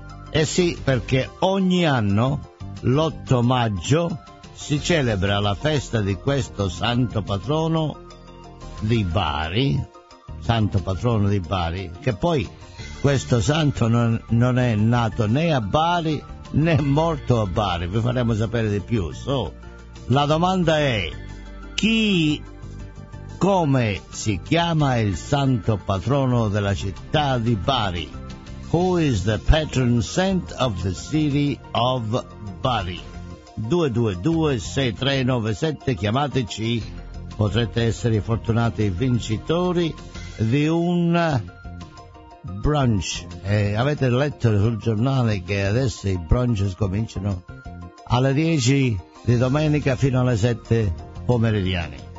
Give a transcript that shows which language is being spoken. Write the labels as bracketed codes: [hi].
[it] Eh sì, perché ogni anno, l'8 maggio, si celebra la festa di questo santo patrono di Bari, santo patrono di Bari, che poi questo santo non è nato né a Bari né morto a Bari, vi faremo sapere di più. So, la domanda è: chi, come si chiama il santo patrono della città di Bari? [en] Who is the patron saint of the city of Bari? [it] 222-6397, chiamateci, potrete essere fortunati vincitori di un brunch. Avete letto sul giornale che adesso i brunch cominciano alle 10 di domenica fino alle 7 pomeridiane.